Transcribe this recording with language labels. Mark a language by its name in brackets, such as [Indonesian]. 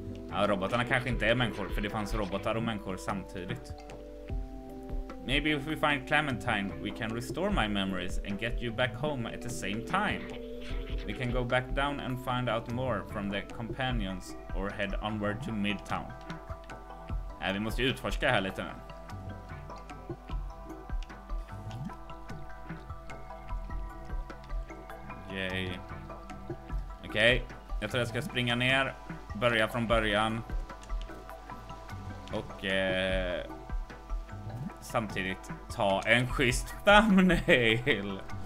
[Swedish] Ja, robotarna kanske inte är människor, för det fanns robotar och människor samtidigt. [English] Maybe if we find Clementine, we can restore my memories and get you back home at the same time. We can go back down and find out more from the companions or head onward to Midtown. [Swedish] Ja, vi måste ju utforska här lite nu. Yay. Okej, okay. Jag tror jag ska springa ner. Börja från början. Och samtidigt ta en schysst thumbnail.